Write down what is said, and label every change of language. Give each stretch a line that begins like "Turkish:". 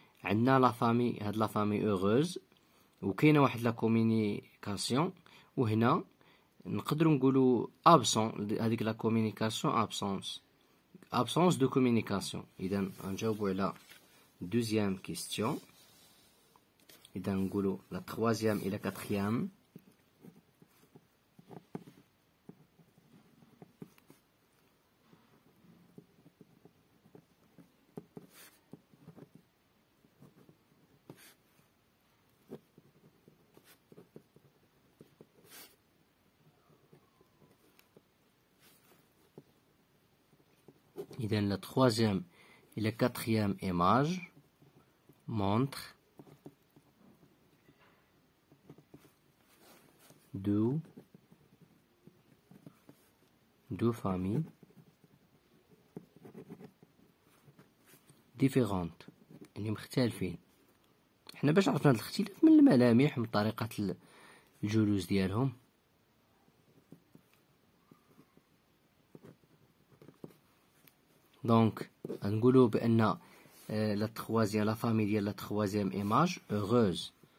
Arabic: عندنا لا فامي، هاد لا فامي اوغوز، وكاينه واحد لا كومينيكاسيون، وهنا نقدروا نقولوا ابسون، هذيك لا كومينيكاسيون
French: ابسونس دو كومينيكاسيون.
Arabic: اذا نجاوبوا على
French: دوزيام كيستيون.
Arabic: اذا نقولوا لا تخوازيام الى كاتريام
French: la troisième et la quatrième image montrent deux familles différentes.
Arabic: يعني مختلفين. احنا باش عرفنا الاختلاف من الملامح من طريقة الجلوس ديالهم. دونك نقولوا بان لا تخوازيا لا فامي ديال لا تخوازيام ايماج اوغوز.